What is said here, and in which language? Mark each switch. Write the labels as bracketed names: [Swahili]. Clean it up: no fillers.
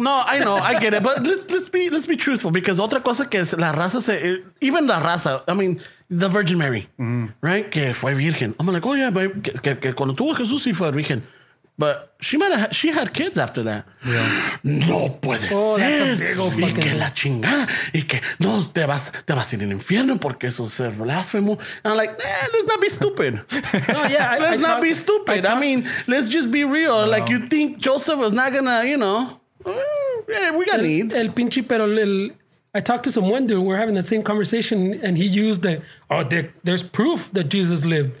[English] No, I know, I get it. But let's be truthful, because [Spanish] otra cosa que es la raza, [English] even la raza, I mean, the Virgin Mary, right? [Spanish] Que fue virgen. [English] I'm like, oh yeah, but [Spanish] que cuando tuvo Jesús y fue virgen. [English] But she might have, she had kids after that. Yeah. [Spanish] No puede ser. [English] Oh, that's a big old fucking... [Spanish] Y que la chingada. Y que no, te vas a ir en infierno porque eso es blasfemo. [English] And I'm like, nah, let's not be stupid. I mean, let's just be real. No. Like, you think Joseph is not gonna, you know, we got needs. [Spanish] El pinche pero el... [English] I talked to some one dude. We're having that same conversation, and he used the, there's proof that Jesus lived.